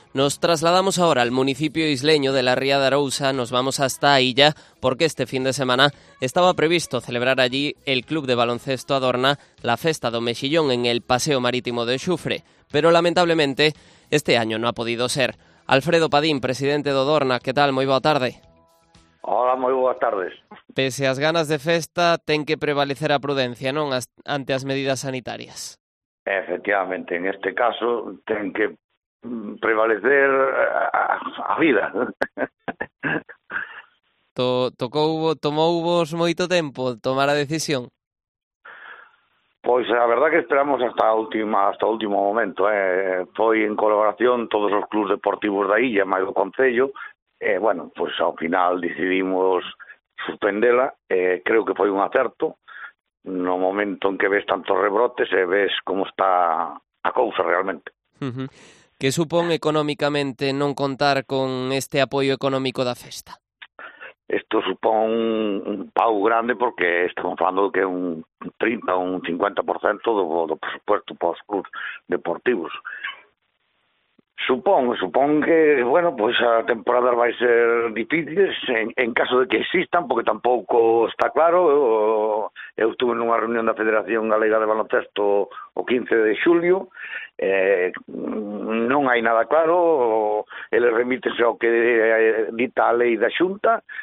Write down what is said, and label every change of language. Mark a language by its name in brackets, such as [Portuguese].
[Spanish] Nos trasladamos ahora al municipio isleño de la Ría de Arousa, nos vamos hasta Illa, porque este fin de semana estaba previsto celebrar allí el Club de Baloncesto Adorna, la Festa do Mexillón en el Paseo Marítimo de Xufre, pero lamentablemente este año no ha podido ser. Alfredo Padín, presidente de Adorna, ¿qué tal? Muy buena tarde. [Galician] Hola, moi boas tardes. Pese ás ganas de festa, ten que prevalecer a prudencia, non? Ante as medidas sanitarias. Efectivamente, [Spanish] en este caso, [Galician] ten que prevalecer a vida. Tomou vos moito tempo tomar a decisión? Pois a verdad que esperamos hasta o último momento. Foi en colaboración todos os clubes deportivos da illa, máis do concello. Bueno, pois ao final decidimos suspendela. Creo que foi un acerto. No momento en que ves tantos rebrotes, ves como está a cousa realmente. Que supón económicamente non contar con este apoio económico da festa? Isto supón un pau grande, porque estamos falando que un 30 ou un 50% do presupuesto para os clubes deportivos. Supón que, bueno, pois a temporada vai ser difícil en caso de que existan, porque tampouco está claro. Eu estuve nunha reunión da Federación Galega de Baloncesto o 15 de xulio. Non hai nada claro, eles remítense ao que dita a lei da Xunta.